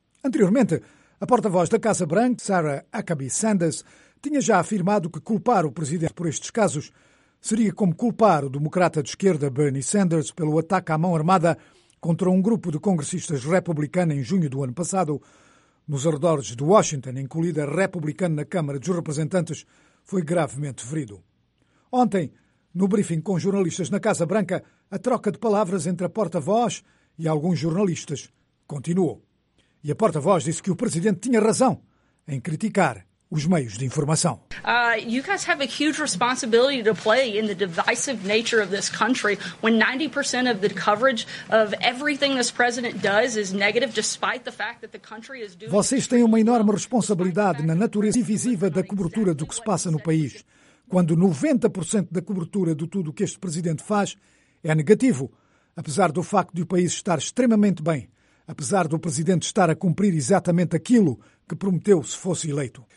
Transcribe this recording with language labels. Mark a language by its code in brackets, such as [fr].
[pt] Anteriormente, a porta-voz da Casa Branca, Sarah Huckabee Sanders, tinha já afirmado que culpar o presidente por estes casos seria como culpar o democrata de esquerda Bernie Sanders pelo ataque à mão armada contra um grupo de congressistas republicanos em junho do ano passado, nos arredores de Washington, em que o líder republicano na Câmara dos Representantes foi gravemente ferido. Ontem, no briefing com jornalistas na Casa Branca, a troca de palavras entre a porta-voz e alguns jornalistas continuou. E a porta-voz disse que o presidente tinha razão em criticar os meios de informação. [en] You guys have a huge responsibility to play in the divisive nature of this country when 90% of the coverage of everything this president does is negative, despite the fact that the country is doing. [pt] Vocês têm uma enorme responsabilidade na natureza divisiva da cobertura do que se passa no país, quando 90% da cobertura de tudo o que este presidente faz é negativo, apesar do facto de o país estar extremamente bem, apesar do presidente estar a cumprir exatamente aquilo que prometeu se fosse eleito.